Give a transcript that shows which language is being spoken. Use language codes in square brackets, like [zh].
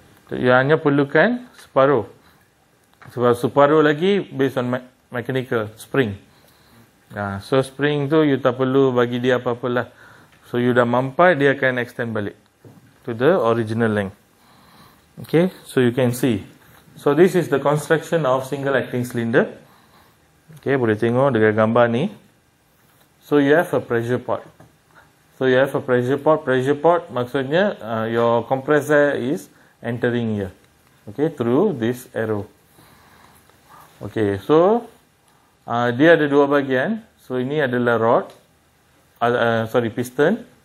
[ms] You hanya perlukan separuh. Sebab separuh lagi [en] based on mechanical spring. [ms] So spring tu you tak perlu bagi dia apa-apalah. So you dah mampai, dia akan extend balik [en] to the original length. Okay, so you can see. So this is the construction of single acting cylinder. [ms] Okay, boleh tengok dengan gambar ni. [en] So you have a pressure port. So you have a pressure port. Pressure port [ms] maksudnya [en] your compressor is entering here. Okay, through this arrow. Okay, so [ms] dia ada dua bagian. So ini adalah rod. Piston.